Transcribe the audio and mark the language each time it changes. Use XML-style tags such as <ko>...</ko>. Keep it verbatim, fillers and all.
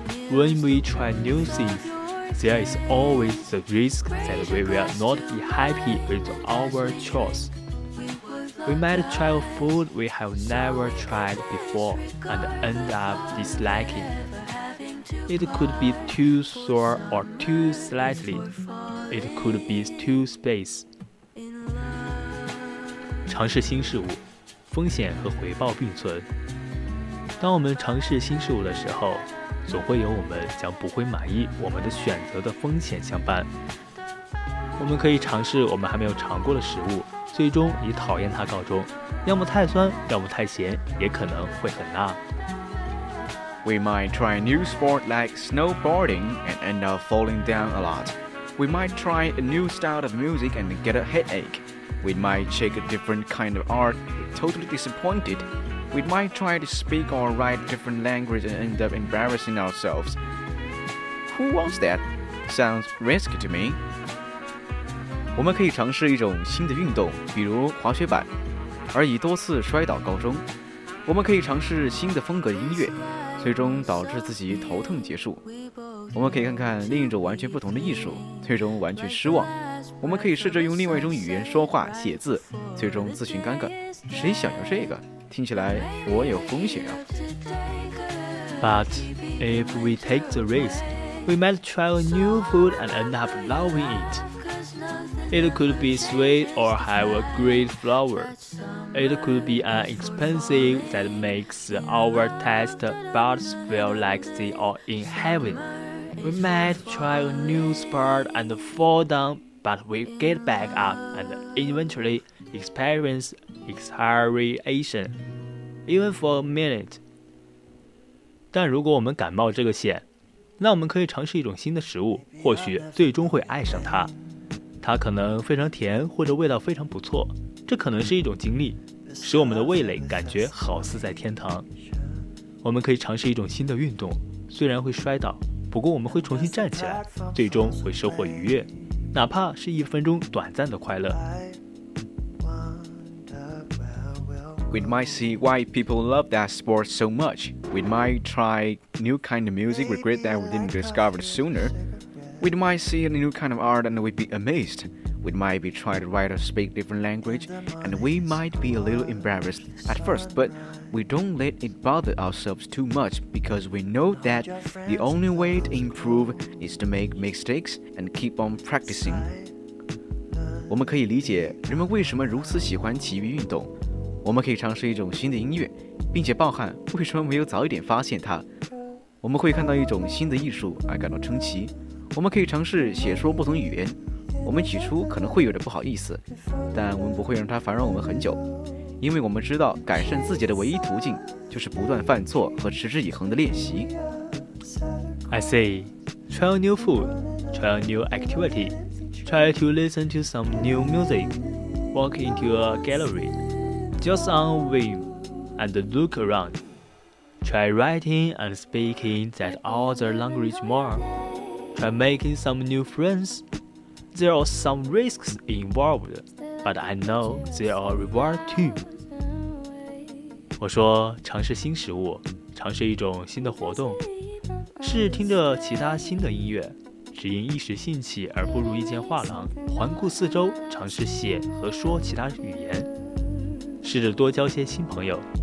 <en>When we try new things, there is always the risk that we will not be happy with our choice. We might try food we have never tried before and end up disliking. It could be too sour or too slightly. It could be too spicy.</en> <zh>尝试新事物，风险和回报并存。当我们尝试新事物的时候，总会有我们将不会满意我们的选择的风险相伴。我们可以尝试我们还没有尝过的食物。最终以讨厌它告终，要么太酸，要么太咸，也可能会很辣。</zh> <en>We might try a new sport like snowboarding and end up falling down a lot. We might try a new style of music and get a headache. We might check a different kind of art, totally disappointed. We might try to speak or write different language and end up embarrassing ourselves. Who wants that? Sounds risky to me.</en> <zh>我们可以尝试一种新的运动，比如滑雪板，而以多次摔倒告终。我们可以尝试新的风格音乐，最终导致自己头疼结束。我们可以看看另一种完全不同的艺术，最终完全失望。我们可以试着用另外一种语言说话、写字，最终自寻尴尬。谁想要这个？听起来我有风险啊。</zh> <en>But if we take the risk, we might try a new food and end up loving it. It could be sweet or have a great flavor. It could be an expensive that makes our taste buds feel like they are in heaven. We might try a new sport and fall down, but we get back up and eventually experience exhilaration, even for a minute.</en> <zh>但如果我们敢冒这个险，那我们可以尝试一种新的食物，或许最终会爱上它。它可能非常甜，或者味道非常不错。这可能是一种经历，使我们的味蕾感觉好似在天堂。我们可以尝试一种新的运动，虽然会摔倒，不过我们会重新站起来，最终会收获愉悦，哪怕是一分钟短暂的快乐。</zh> <en>We might see why people love that sport so much. We might try new kind of music, regret that we didn't discover it sooner. We might see a new kind of art and we'd be amazed. We might be trying to write or speak different language, and we might be a little embarrassed at first, but we don't let it bother ourselves too much because we know that the only way to improve is to make mistakes and keep on practicing.</en> <zh>我们可以理解人们为什么如此喜欢体育运动。我们可以尝试一种新的音乐，并且抱憾为什么没有早一点发现它。我们会看到一种新的艺术而感到称奇。我们可以尝试写说不同语言，我们起初可能会有点不好意思，但我们不会让它烦扰我们很久，因为我们知道改善自己的唯一途径就是不断犯错和持之以恒的练习。</zh> <en>I say, try a new food, try a new activity, try to listen to some new music, walk into a gallery, just on a whim, and look around. Try writing and speaking that other language more. Try making some new friends. There are some risks involved, but I know they are a reward too.</en> <zh>我说尝试新食物，尝试一种新的活动，是听着其他新的音乐，只因一时兴起而步入一间画廊，环顾四周，尝试写和说其他语言，试着多交些新朋友。</zh>